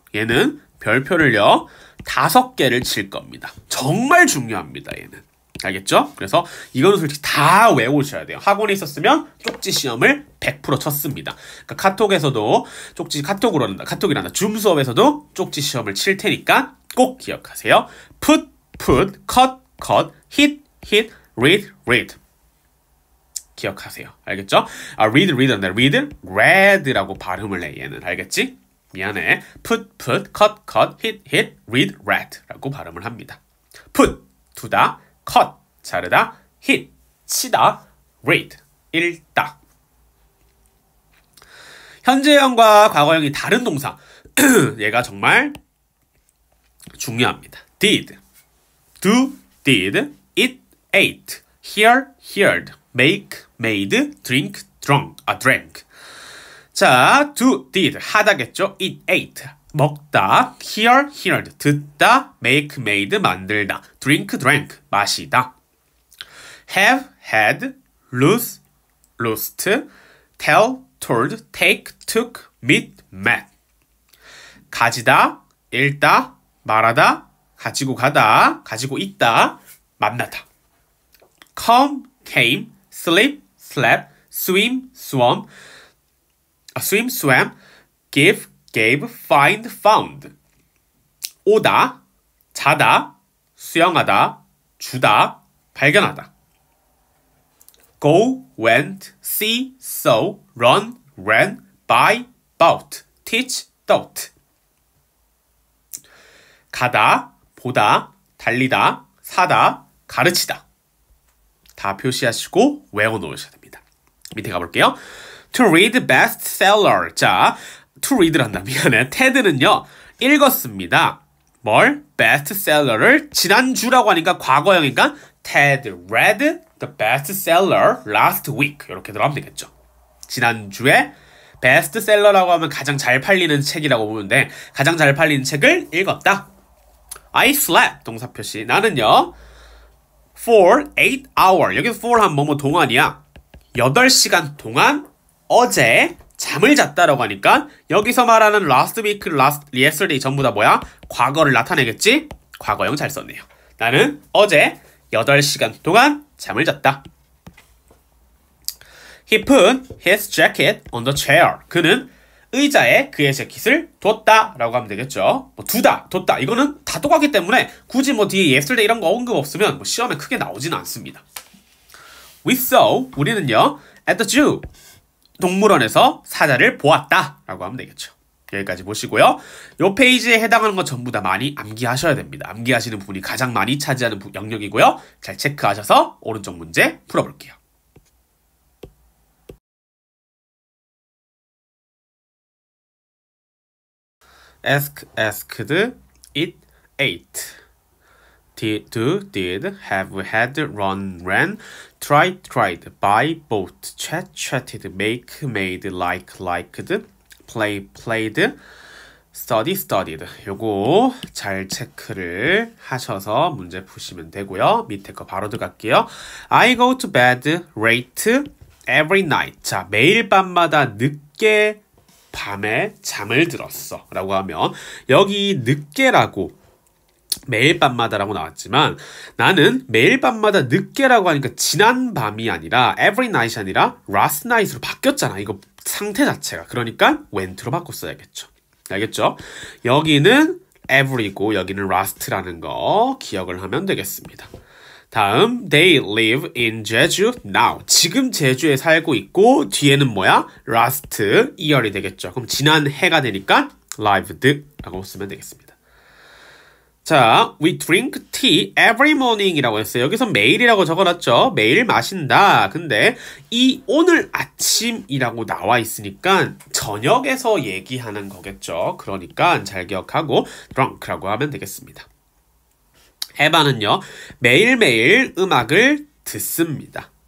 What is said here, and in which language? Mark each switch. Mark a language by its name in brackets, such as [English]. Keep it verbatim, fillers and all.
[Korean] 얘는 별표를요, 다섯 개를 칠 겁니다. 정말 중요합니다, 얘는. 알겠죠? 그래서 이거는 솔직히 다 외우셔야 돼요. 학원에 있었으면 쪽지 시험을 백 퍼센트 쳤습니다. 그러니까 카톡에서도 쪽지 카톡으로 한다. 카톡이란다. 줌 수업에서도 쪽지 시험을 칠 테니까 꼭 기억하세요. [English] put, put, cut, cut, hit, hit, read, read. [Korean] 기억하세요. 알겠죠? [English] 아, read, read, read, read라고 발음을 해. [Korean] 얘는 알겠지? 미안해. [English] put, put, cut, cut, hit, hit, read, read라고 발음을 합니다. [Korean] put, 두다. cut, 자르다, hit, 치다, read, 읽다. 현재형과 과거형이 다른 동사. 얘가 정말 중요합니다. [English] did, do, did, eat, ate, hear, heard, make, made, drink, drunk, 아, drank. [Korean] 자, do, did, 하다겠죠? [English] eat, ate. 먹다, hear, heard, 듣다, make, made, 만들다, drink, drank, 마시다, have, had, lose, lost, tell, told, take, took, meet, met. [Korean] 가지다, 읽다, 말하다, 가지고 가다, 가지고 있다, 만나다. [English] come, came, sleep, slept, swim, swam, swim, swam, give, gave, find, found. [Korean] 오다, 자다, 수영하다, 주다, 발견하다. [English] go, went, see, saw, run, ran, buy, bought, teach, taught. [Korean] 가다, 보다, 달리다, 사다, 가르치다. 다 표시하시고 외워놓으셔야 됩니다. 밑에 가볼게요. [English] to read bestseller. [Korean] 자, to read란다. 미안해. 테드는요, 읽었습니다. 뭘? 베스트셀러를 지난주라고 하니까 과거형이니까 [English] Ted read the bestseller last week. [Korean] 이렇게 들어가면 되겠죠. 지난주에 베스트셀러라고 하면 가장 잘 팔리는 책이라고 보는데 가장 잘 팔리는 책을 읽었다. [English] I slept. [Korean] 동사 표시. 나는요, [English] for eight hours. [Korean] 여기서 for 한 뭐뭐 동안이야. 여덟 시간 동안 어제 잠을 잤다라고 하니까 여기서 말하는 last week, last yesterday 전부 다 뭐야? 과거를 나타내겠지? 과거형 잘 썼네요. 나는 어제 여덟 시간 동안 잠을 잤다. [English] He put his jacket on the chair. [Korean] 그는 의자에 그의 재킷을 뒀다라고 하면 되겠죠. 뭐 두다, 뒀다 이거는 다 똑같기 때문에 굳이 뭐 뒤에 yesterday 이런 거 언급 없으면 뭐 시험에 크게 나오진 않습니다. [English] We saw, [Korean] 우리는요, [English] at the zoo, [Korean] 동물원에서 사자를 보았다 라고 하면 되겠죠. 여기까지 보시고요. 요 페이지에 해당하는 것 전부 다 많이 암기하셔야 됩니다. 암기하시는 부분이 가장 많이 차지하는 부- 영역이고요. 잘 체크하셔서 오른쪽 문제 풀어볼게요. [English] ask, asked, it, ate. did, do, did, have, had, run, ran, tried, tried, buy, bought, chat, chatted, make, made, like, liked, play, played, study, studied. [Korean] 요거 잘 체크를 하셔서 문제 푸시면 되고요. 밑에 거 바로 들어갈게요. [English] I go to bed, rate, every night. [Korean] 자, 매일 밤마다 늦게 밤에 잠을 들었어 라고 하면, 여기 늦게라고 매일 밤마다라고 나왔지만, 나는 매일 밤마다 늦게라고 하니까 지난 밤이 아니라 [English] every night [Korean] 이 아니라 [English] last night [Korean] 으로 바뀌었잖아. 이거 상태 자체가. 그러니까 went로 바꿨어야겠죠. 알겠죠? 여기는 every고 여기는 last라는 거 기억을 하면 되겠습니다. [English] 다음, they live in Jeju now. [Korean] 지금 제주에 살고 있고, 뒤에는 뭐야? last year이 되겠죠. 그럼 지난 해가 되니까 lived라고 쓰면 되겠습니다. [English] 자, we drink tea every morning [Korean] 이라고 했어요. 여기서 매일이라고 적어놨죠. 매일 마신다. 근데 이 오늘 아침이라고 나와 있으니까 저녁에서 얘기하는 거겠죠. 그러니까 잘 기억하고 drunk라고 하면 되겠습니다. 에바는요, 매일매일 음악을 듣습니다.